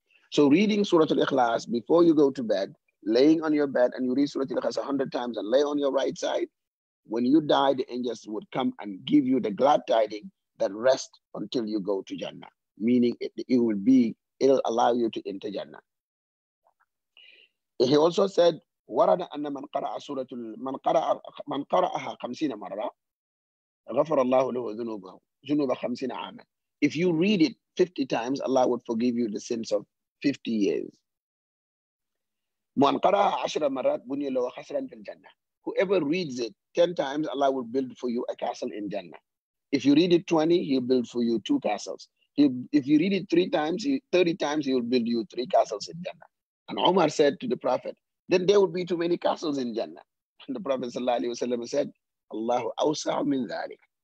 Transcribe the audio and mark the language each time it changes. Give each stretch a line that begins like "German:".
English: So reading Surah Al-Ikhlas before you go to bed, laying on your bed, and you read Surah Al-Ikhlas 100 times and lay on your right side, when you die, the angels would come and give you the glad tiding that rest until you go to Jannah, meaning it'll allow you to enter Jannah. He also said,
Arabic: ورد أن من قرأها 50 مرة غفر الله له ذنوب 50 عاما.
English: If you read it 50 times, Allah would forgive you the sins of 50 years.
Arabic: من قرأها 10 مرات بني له خسرا في الجنة.
English: Whoever reads it 10 times, Allah will build for you a castle in Jannah. If you read it 20, he'll build for you two castles. If you read it 30 times, he'll build you three castles in Jannah. And Umar said to the Prophet, then there would be too many castles in Jannah. And the Prophet sallallahu alaihi wasallam said,
Arabic: Allahu awsa'u min dhalik.